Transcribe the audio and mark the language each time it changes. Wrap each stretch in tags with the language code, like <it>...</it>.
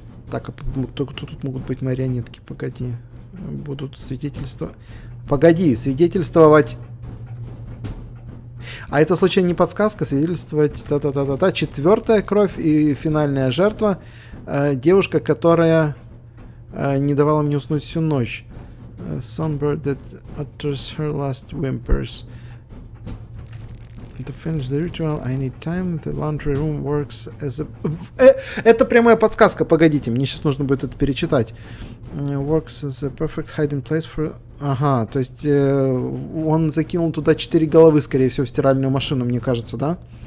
<ru>Так, а кто тут могут быть марионетки? Погоди. Будут свидетельствовать. Погоди, свидетельствовать. А это случайно не подсказка? Свидетельствовать. Та-та-та-та-та. Четвертая кровь и финальная жертва. Девушка, которая... не давала мне уснуть всю ночь.</ru> <en>Sunbird that utters her last whimpers. To finish the ritual, I need time. The laundry room works as a...</en> <ru>Это прямая подсказка, погодите, мне сейчас нужно будет это перечитать.</ru> <en>Works as a perfect hiding place for...</en> <ru>Ага, то есть он закинул туда 4 головы, скорее всего, в стиральную машину, мне кажется, да?</ru>